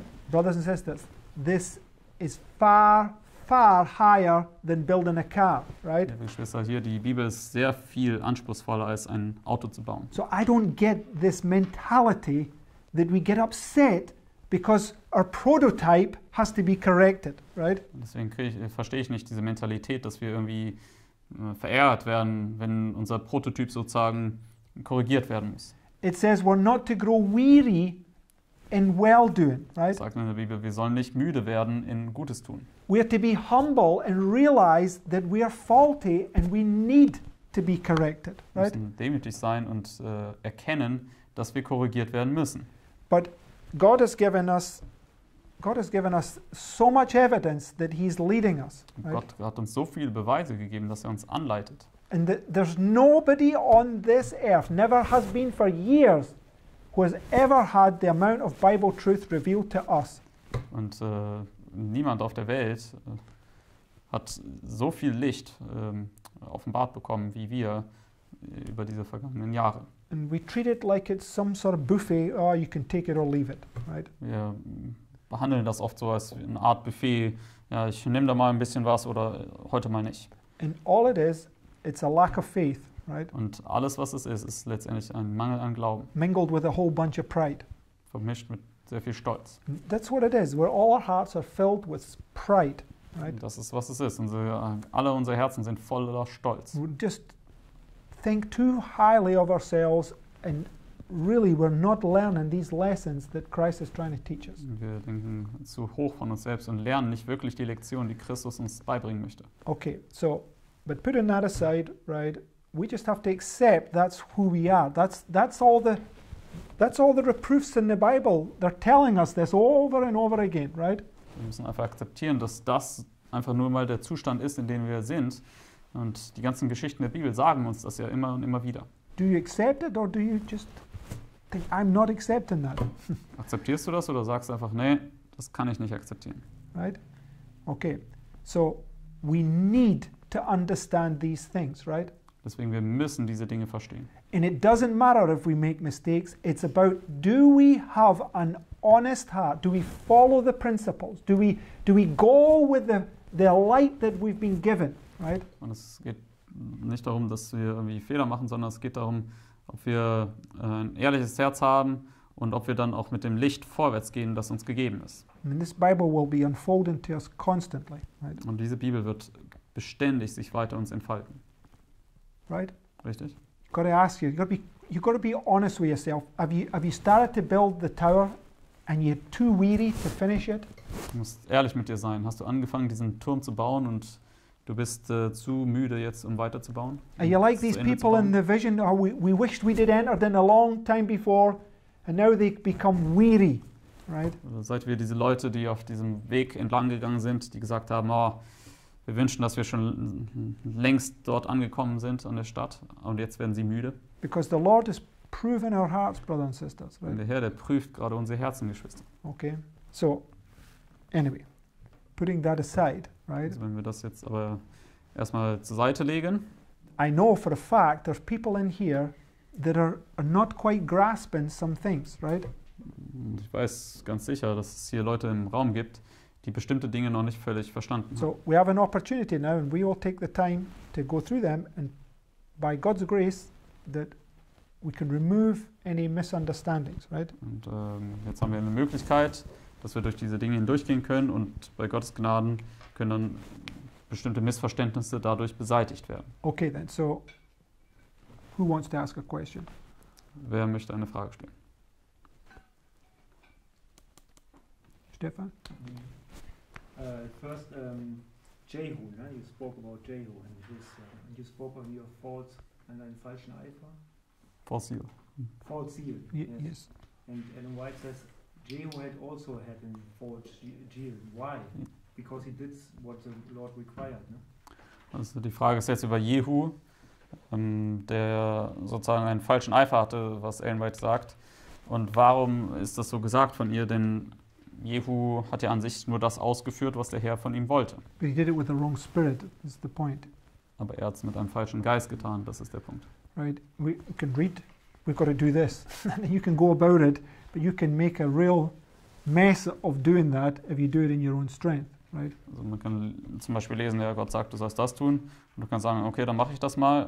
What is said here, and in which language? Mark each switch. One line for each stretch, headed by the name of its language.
English: Brothers and sisters, this is far, far higher than building a car, right?
German: Liebe Schwester, hier, die Bibel ist sehr viel anspruchsvoller als ein Auto zu bauen.
English: So I don't get this mentality that we get upset because our prototype has to be corrected, right?
German: Deswegen verstehe ich nicht diese Mentalität, dass wir irgendwie verärgert werden, wenn unser Prototyp sozusagen korrigiert werden muss.
English: It says we're not to grow weary in well doing, right?
German: Sagt in der Bibel, wir sollen nicht müde werden in Gutes tun.
English: We are to be humble and realize that we are faulty and we need to be corrected, right?
German: Wir müssen demütig sein und erkennen, dass wir korrigiert werden müssen.
English: But God has given us so much evidence that he's leading us. Right?
German: Gott hat uns so viele Beweise gegeben, dass er uns anleitet.
English: And there's nobody on this earth, never has been for years, who has ever had the amount of Bible truth revealed to us.
German: Und niemand auf der Welt hat so viel Licht offenbart bekommen wie wir über diese vergangenen Jahre.
English: And we treat it like it's some sort of buffet. Oh, you can take it or leave it, right?
German: Wir behandeln das oft so als eine Art Buffet. Ja, ich nehme da mal ein bisschen was oder heute mal nicht.
English: And all it is, it's a lack of faith, right?
German: Und alles, was es ist, ist letztendlich ein Mangel an Glauben.
English: Mingled with a whole bunch of pride.
German: Vermischt mit sehr viel Stolz.
English: That's what it is. Where all our hearts are filled with pride, right?
German: Das ist, was es ist. Und alle unsere Herzen sind voller Stolz.
English: We just think too highly of ourselves and really we're not learning these lessons that Christ is trying to teach us.
German: Wir denken zu hoch von uns selbst und lernen nicht wirklich die Lektion, die Christus uns beibringen möchte.
English: Okay, so, but putting that aside, right, we just have to accept that's who we are. That's all the reproofs in the Bible. They're telling us this over and over again, right?
German: Wir müssen einfach akzeptieren, dass das einfach nur mal der Zustand ist, in dem wir sind. Und die ganzen Geschichten der Bibel sagen uns das ja immer und immer wieder.
English: do you accept it or do you just think, I'm not accepting that?
German: Akzeptierst du das oder sagst einfach, nee, das kann ich nicht akzeptieren?
English: Right? Okay. So, we need to understand these things, right?
German: Deswegen, wir müssen diese Dinge verstehen.
English: And it doesn't matter if we make mistakes. It's about, do we have an honest heart? Do we follow the principles? Do we go with the light that we've been given, right?
German: Und es geht nicht darum, dass wir irgendwie Fehler machen, sondern es geht darum, ob wir ein ehrliches Herz haben und ob wir dann auch mit dem Licht vorwärts gehen, das uns gegeben ist.
English: And this Bible will be unfolding to us constantly, right?
German: Und diese Bibel wird beständig sich weiter uns entfalten.
English: Right?
German: Richtig.
English: You got to ask you. You got to be honest with yourself. Have you started to build the tower and you're too weary to finish it?
German: Du musst ehrlich mit dir sein. Hast du angefangen, diesen Turm zu bauen und du bist zu müde jetzt, um weiterzubauen?
English: Are you like these people in the vision? Oh, we wished we did enter then a long time before and now they become weary, right?
German: Oder seid wir diese Leute, die auf diesem Weg entlang gegangen sind, die gesagt haben, oh, wir wünschen, dass wir schon längst dort angekommen sind an der Stadt und jetzt werden sie müde?
English: Because the Lord is proving our hearts, brothers and sisters, right?
German: Und der Herr, der prüft gerade unsere Herzen, Geschwister.
English: Okay, so anyway, putting that aside, right?
German: Also wenn wir das jetzt aber erstmal zur Seite legen.
English: I know for a fact there's people in here that are not quite grasping some things, right?
German: Und ich weiß ganz sicher, dass es hier Leute im Raum gibt, die bestimmte Dinge noch nicht völlig verstanden haben.
English: So we have an opportunity now and we will take the time to go through them and by God's grace that we can remove any misunderstandings, right?
German: Und jetzt haben wir eine Möglichkeit, dass wir durch diese Dinge hindurchgehen können und bei Gottes Gnaden können dann bestimmte Missverständnisse dadurch beseitigt werden.
English: Okay then, so who wants to ask a question?
German: Wer möchte eine Frage stellen? Stefan?
English: First, Jehu, yeah? You spoke about Jehu and his, you spoke of your false and
German: dein falschen Eifer.
English: False zeal. False zeal. Yes. And Ellen White says Jehu had also had a false zeal. Why? Yeah. Because he did what the Lord required. No?
German: Also die Frage ist jetzt über Jehu, der sozusagen einen falschen Eifer hatte, was Ellen White sagt. Und warum ist das so gesagt von ihr? Denn Jehu hat ja an sich nur das ausgeführt, was der Herr von ihm wollte.
English: But he did it with the wrong spirit, is the point.
German: Aber er hat es mit einem falschen Geist getan, das ist der Punkt.
English: Right, we can read, we've got to do this. You can go about it, but you can make a real mess of doing that if you do it in your own strength, right?
German: Also man kann zum Beispiel lesen, ja, Gott sagt, du sollst das tun. Und du kannst sagen, okay, dann mache ich das mal.